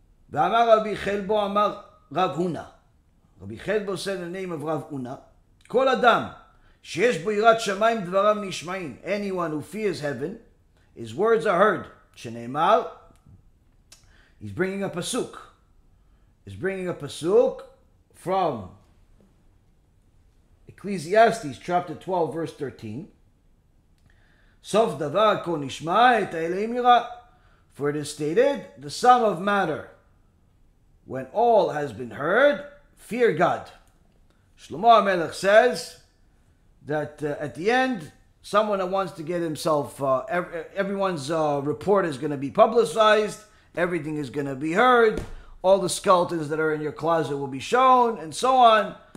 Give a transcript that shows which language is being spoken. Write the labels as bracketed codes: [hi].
[he] ואמר רבי חלבו, אמר רב הונה. [en] רבי חלבו said the name of רב הונה. כל אדם שיש בו יראת שמיים דבריו נשמעים. Anyone who fears heaven, his words are heard. שנאמר, he's bringing a pasuk. He's bringing a pasuk from Ecclesiastes chapter 12 verse 13. [he] סוף דבר כה נשמע את האלוהים ירא. [en] For it is stated, the sum of matter, when all has been heard, fear God. Shlomo HaMelech says that at the end, someone that wants to get himself, everyone's report is going to be publicized, everything is going to be heard, all the skeletons that are in your closet will be shown, and so on.